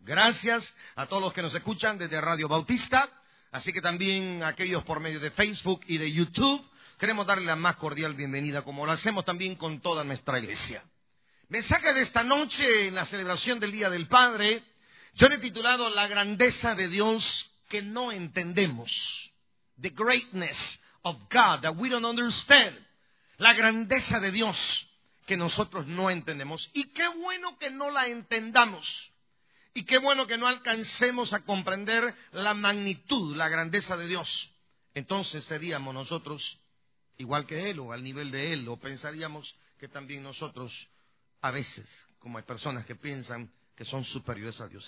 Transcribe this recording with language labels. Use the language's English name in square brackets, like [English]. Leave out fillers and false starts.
[Spanish] Gracias a todos los que nos escuchan desde Radio Bautista, así que también a aquellos por medio de Facebook y de YouTube. Queremos darle la más cordial bienvenida, como lo hacemos también con toda nuestra iglesia. Mensaje de esta noche, en la celebración del Día del Padre, yo le he titulado La Grandeza de Dios que no entendemos. [English] The Greatness of God that we don't understand. [Spanish] La grandeza de Dios que nosotros no entendemos. Y qué bueno que no la entendamos. Y qué bueno que no alcancemos a comprender la magnitud, la grandeza de Dios. Entonces seríamos nosotros igual que Él, o al nivel de Él, o pensaríamos que también nosotros, a veces, como hay personas que piensan que son superiores a Dios.